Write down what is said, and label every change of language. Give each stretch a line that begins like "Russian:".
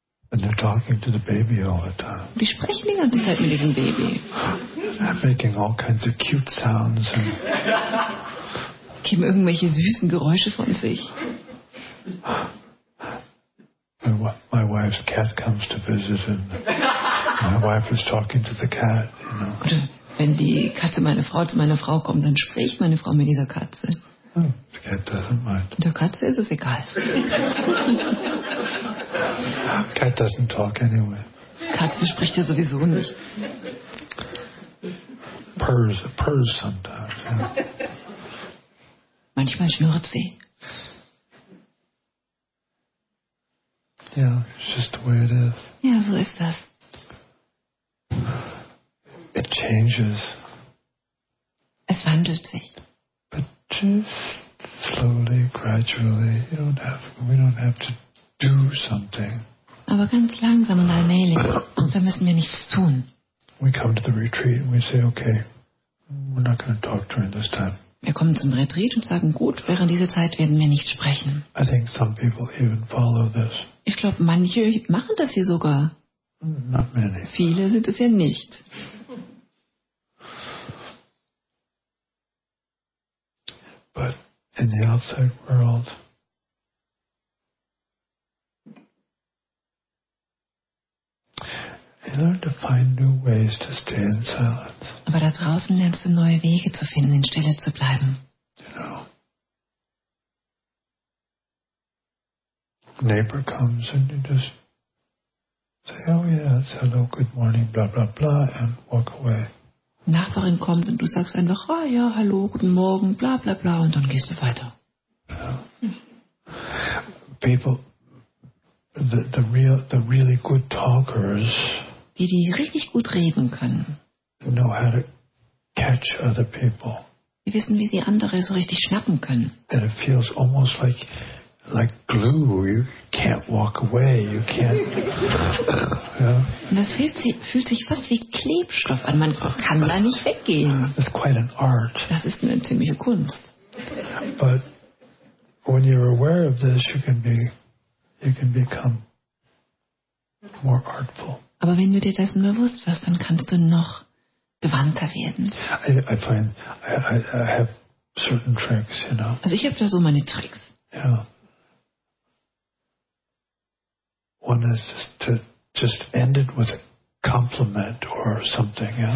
English: And they're talking to the baby all the time.
German: Die sprechen die ganze Zeit mit diesem Baby.
English: They're making all kinds of cute sounds. And
German: geben irgendwelche süßen Geräusche von sich.
English: My wife's cat comes to visit and my wife is talking to the cat, you know.
German: Und wenn die Katze meiner Frau zu meiner Frau kommt, dann spricht meine Frau mit dieser Katze.
English: Oh, the cat doesn't mind.
German: Der Katze ist es egal.
English: Cat doesn't talk anyway.
German: Katze spricht ja sowieso nicht.
English: Purrs sometimes. Yeah.
German: Manchmal schnurrt sie.
English: Yeah, it's just the way it is.
German: Ja, so ist das.
English: It changes.
German: Es wandelt sich.
English: But just slowly, gradually, we don't have to do something.
German: Aber ganz langsam und allmählich, da müssen wir nichts tun.
English: We come to the retreat and we say, okay, we're not going to talk during this time.
German: Wir kommen zum Retreat und sagen, gut, während dieser Zeit werden wir nicht sprechen.
English: I think some people even follow this.
German: Ich glaube, manche machen das hier sogar.
English: Not many.
German: Viele sind es ja nicht.
English: But in the outside world, you learn to find new ways to stay in silence.
German: Aber da draußen lernst du neue Wege zu finden, in Stille zu bleiben.
English: You know, neighbor comes and you just say, oh yes, hello, good morning, blah blah blah, and walk away.
German: Nachbarin kommt und du sagst einfach, ah ja, hallo, guten Morgen, bla bla bla, und dann gehst du weiter.
English: People, the really good talkers,
German: die richtig gut reden können,
English: know how to catch other people.
German: Die wissen, wie sie andere so richtig schnappen können.
English: And it feels almost like glue. You can't walk away. You can't.
German: Das fühlt sich fast wie Klebstoff an. Man kann da nicht weggehen.
English: It's quite an art.
German: Das ist eine ziemliche Kunst.
English: But when you're aware of this, you can become more artful.
German: Aber wenn du dir dessen bewusst wirst, dann kannst du noch gewandter werden.
English: I have certain tricks, you know.
German: Also ich habe da so meine Tricks.
English: Yeah. One is to just end it with a compliment or something. Yeah?